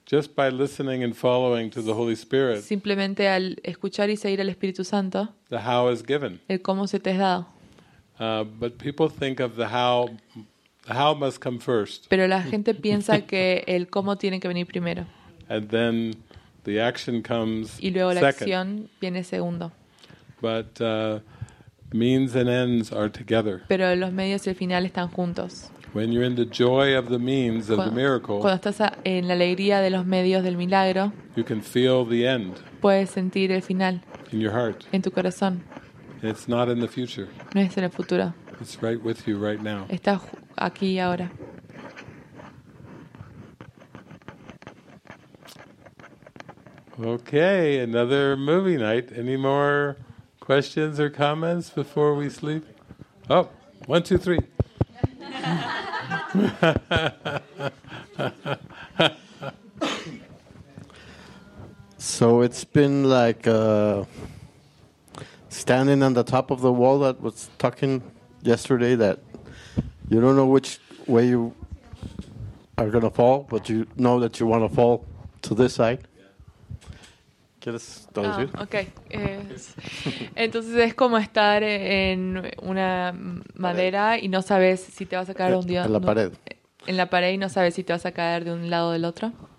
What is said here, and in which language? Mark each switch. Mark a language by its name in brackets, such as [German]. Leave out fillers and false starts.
[English] Just by listening and following to the Holy Spirit. [Spanish] Simplemente al escuchar y seguir al Espíritu Santo. [English] The how is given. [Spanish] El cómo se te es dado. [English] But people think of the how must come first. [Spanish] Pero la gente piensa que el cómo tiene que venir primero. [English] And then the action comes. [Spanish] Y luego [English] second. [Spanish] La acción viene segundo. [English] But means and ends are together. [Spanish] Pero los medios y el final están juntos. [English] When you're in the joy of the means of the miracle. [Spanish] Cuando estás en la alegría de los medios del milagro. [English] You can feel the end. [Spanish] Puedes sentir el final. [English] In your heart. [Spanish] En tu corazón. [English] It's not in the future. [Spanish] No es en el futuro. [English] It's right with you right now. [Spanish] Está aquí y ahora. [English] Okay, another movie night. Any more questions or comments before we sleep? Oh, 1, 2, 3. So it's been like standing on the top of the wall that was talking yesterday, that you don't know which way you are going to fall, but you know that you want to fall to this side. [Spanish] ¿Quieres traducir? Ah, ok. Entonces es como estar en una madera y no sabes si te vas a caer hundido. En la pared. En la pared y no sabes si te vas a caer de un lado o del otro.